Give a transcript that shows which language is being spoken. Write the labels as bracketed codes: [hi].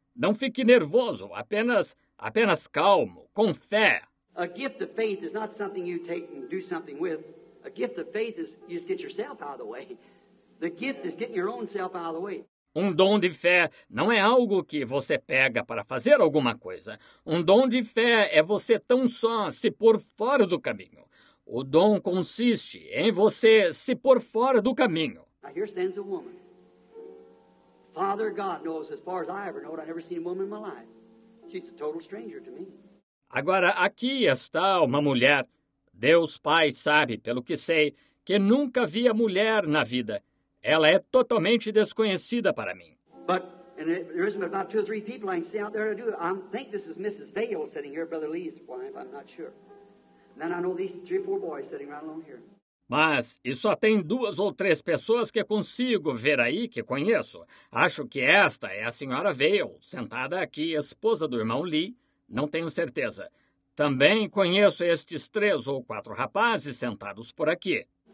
[pt] Não fique nervoso, apenas calmo, com fé. [en] A gift of faith is not something you take and do something with. A gift of faith is you just get yourself out of the way. The gift is getting your own self out of the way. [pt] Um dom de fé não é algo que você pega para fazer alguma coisa. Um dom de fé é você tão só se pôr fora do caminho. O dom consiste em você se pôr fora do caminho. [en] Now here stands a woman. Father God knows, as far as I ever know, I've never seen a woman in my life. She's a total stranger to me. [pt] Agora, aqui está uma mulher. Deus Pai sabe, pelo que sei, que nunca vi a mulher na vida. Ela é totalmente desconhecida para mim. [en] But, and there isn't about two or three people I can see out there to do it. I think this is Mrs. Vale sitting here, Brother Lee's wife, I'm not sure. And then I know these three or four boys sitting right along here. [pt] Mas, e só tem duas ou três pessoas que consigo ver aí que conheço. Acho que esta é a senhora Vale, sentada aqui, esposa do irmão Lee. Não tenho certeza. Também conheço estes três ou quatro rapazes sentados por aqui.